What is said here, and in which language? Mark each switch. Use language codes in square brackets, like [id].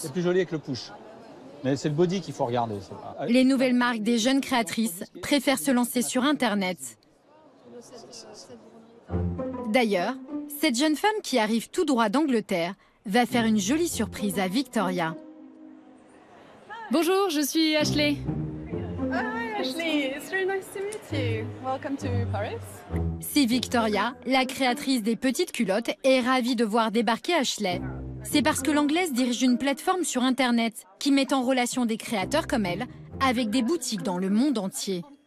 [fr] C'est plus joli avec le push. Mais c'est le body qu'il faut regarder. C'est pas... Les nouvelles marques des jeunes créatrices préfèrent se lancer sur Internet. D'ailleurs, cette jeune femme qui arrive tout droit d'Angleterre va faire une jolie surprise à Victoria. Bonjour, je suis Ashley. [en] Hi Ashley, it's really nice to meet you. Welcome to Paris. [fr] Si Victoria, la créatrice des petites culottes, est ravie de voir débarquer Ashley, c'est parce que l'anglaise dirige une plateforme sur Internet qui met en relation des créateurs comme elle avec des boutiques dans le monde entier.